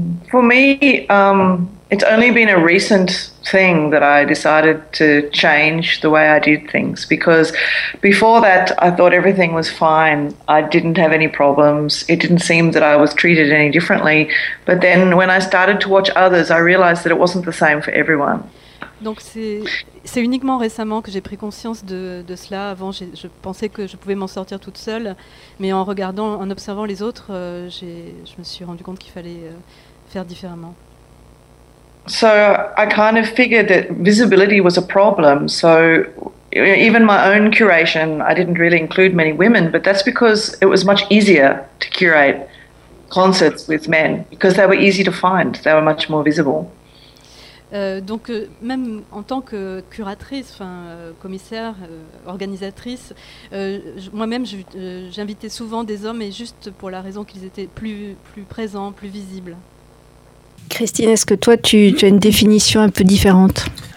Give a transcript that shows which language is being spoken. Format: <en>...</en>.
<en>For me, it's only been a recent thing that I decided to change the way I did things, because before that I thought everything was fine. I didn't have any problems. It didn't seem that I was treated any differently. But then when I started to watch others, I realized that it wasn't the same for everyone.</en> <fr>Donc c'est uniquement récemment que j'ai pris conscience de cela. Avant, je pensais que je pouvais m'en sortir toute seule, mais en regardant, en observant les autres, je me suis rendu compte qu'il fallait faire différemment.</fr> <en>So I kind of figured that visibility was a problem. So even my own curation, I didn't really include many women, but that's because it was much easier to curate concerts with men because they were easy to find. They were much more visible.</en> <fr>Donc même en tant que curatrice, commissaire, organisatrice, moi-même j'invitais souvent des hommes, et juste pour la raison qu'ils étaient plus présents, plus visibles. Christine, est-ce que toi tu as une définition un peu différente ?</fr>